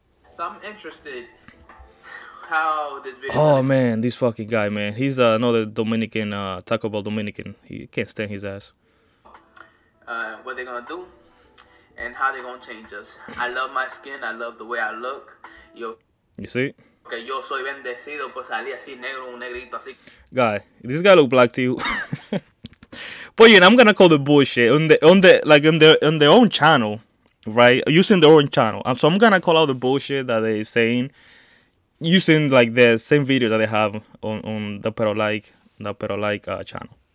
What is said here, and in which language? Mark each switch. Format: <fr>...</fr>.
<en>So I'm interested how this video... Oh, man, this fucking guy, man. He's another Dominican, Taco Bell Dominican. He can't stand his ass. What they're gonna do and how they're gonna change us. I love my skin. I love the way I look. You see?</en> <es>Que yo soy bendecido por salir así negro, un negrito así.</es> <en>Guy, this guy look black to you. But yeah, I'm gonna call the bullshit on their own channel, right? Using their own channel. So I'm gonna call out the bullshit that they're saying using like the same video that they have on the Pero Like channel.</en>